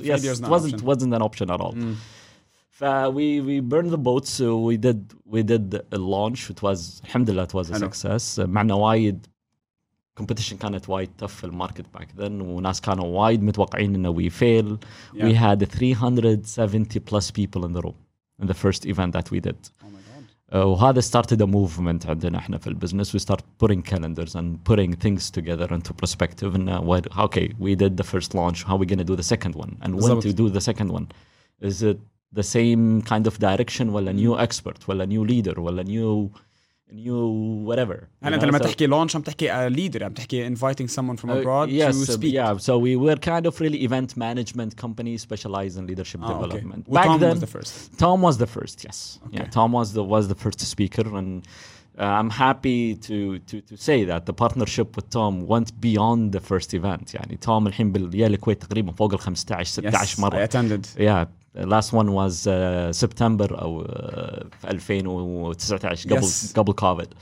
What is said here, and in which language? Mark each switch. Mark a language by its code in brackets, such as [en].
[en] Yes, wasn't an option at all. We burned the boats. So we did a launch. It was [ar] الحمد لله [en] it was a success. [ar] معنا وايد competition كانت وايد tough في الماركت [en] back then. [ar] وناس كانوا وايد متوقعين إنه [en] we fail. Yeah. We had 370 plus people in the room in the first event that we did. [ar] وهذا [en] started a movement [ar] عندنا احنا في البزنس. [en] We start putting calendars and putting things together into perspective. And okay, we did the first launch. How are we going to do the second one? And when to do the second one? Is it the same kind of direction? ولا new expert? ولا new leader? ولا new whatever? [ar] هل انت لما تحكي launch عم تحكي leader؟ عم تحكي [en] inviting someone from abroad to speak? Yeah, so we were kind of really event management company specialized in leadership development. Okay. Back then, Tom was the first, yes. Okay. Yeah, Tom was the first speaker. And I'm happy to say that the partnership with Tom went beyond the first event. [ar] يعني Tom الحين بالليل الكويت تقريبا فوق ال 15-16 مرة. [en] Yes, I attended. Yeah. The last one was September of 2019, قبل COVID.